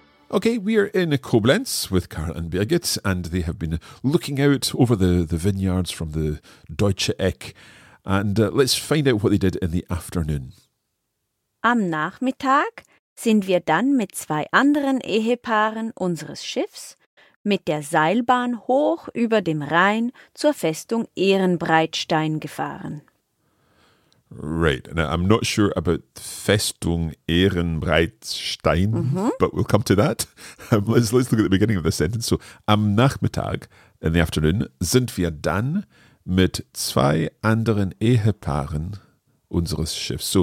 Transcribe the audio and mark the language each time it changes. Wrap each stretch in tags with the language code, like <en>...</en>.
<en>Okay, we are in Koblenz with Karl and Birgit, and they have been looking out over the vineyards from the Deutsche Eck. And let's find out what they did in the afternoon.</en> <de>Am Nachmittag sind wir dann mit zwei anderen Ehepaaren unseres Schiffs mit der Seilbahn hoch über dem Rhein zur Festung Ehrenbreitstein gefahren.</de> <en>Right. Now, I'm not sure about Festung Ehrenbreitstein, but we'll come to that.</en> <de>Let's look at the beginning of the sentence. So, am Nachmittag,</de> <en>in the afternoon,</en> <de>sind wir dann mit zwei anderen Ehepaaren unseres Schiffs.</de>